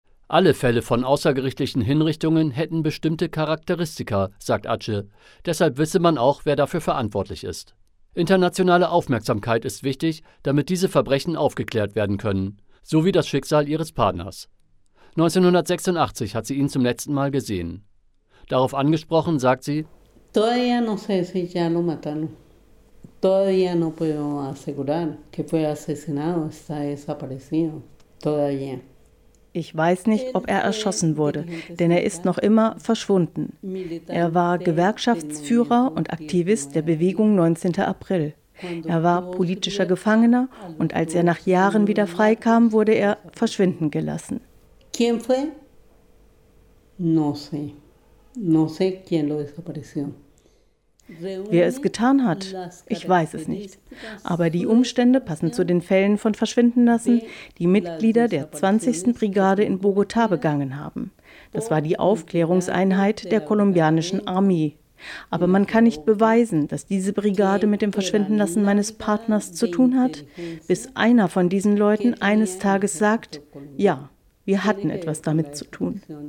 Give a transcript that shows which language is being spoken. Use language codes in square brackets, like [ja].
[de] Alle Fälle von außergerichtlichen Hinrichtungen hätten bestimmte Charakteristika, sagt Ache. Deshalb wisse man auch, wer dafür verantwortlich ist. Internationale Aufmerksamkeit ist wichtig, damit diese Verbrechen aufgeklärt werden können, so wie das Schicksal ihres Partners. 1986 hat sie ihn zum letzten Mal gesehen. Darauf angesprochen sagt sie: [es] Todavía no sé si ya lo mataron. Todavía no puedo asegurar que fue asesinado, está desaparecido. Todavía. [de] Ich weiß nicht, ob er erschossen wurde, denn er ist noch immer verschwunden. Er war Gewerkschaftsführer und Aktivist der Bewegung 19. April. Er war politischer Gefangener und als er nach Jahren wieder freikam, wurde er verschwinden gelassen. [es] ¿Quién fue? No sé. No sé quién lo desapareció. [de] Wer es getan hat, ich weiß es nicht. Aber die Umstände passen zu den Fällen von Verschwindenlassen, die Mitglieder der 20. Brigade in Bogotá begangen haben. Das war die Aufklärungseinheit der kolumbianischen Armee. Aber man kann nicht beweisen, dass diese Brigade mit dem Verschwindenlassen meines Partners zu tun hat, bis einer von diesen Leuten eines Tages sagt, ja, wir hatten etwas damit zu tun.